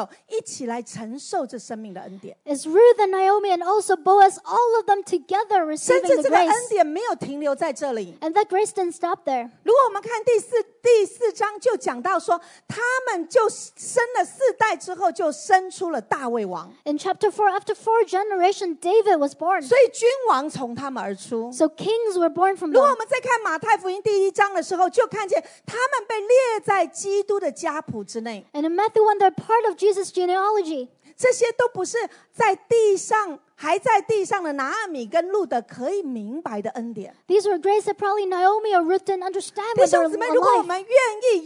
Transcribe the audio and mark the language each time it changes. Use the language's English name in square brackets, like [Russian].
[English] Is Ruth and Naomi and also Boaz, all of them together receiving the grace. And that grace didn't stop there. [Chinese] 第四章就讲到说他们就生了四代之后就生出了大卫王 [English] In chapter 4, after 4 generations, David was born. [Chinese] 所以君王从他们而出 [English] So kings were born from them. [Chinese] 如果我们在看马太福音第一章的时候就看见他们被列在基督的家谱之内 [English] And in Matthew 1, they're part of Jesus' genealogy. [Chinese] 这些都不是在地上 还在地上的拿阿米跟路德可以明白的恩典 [English] These were grace that probably Naomi or Ruth didn't understand when they were alive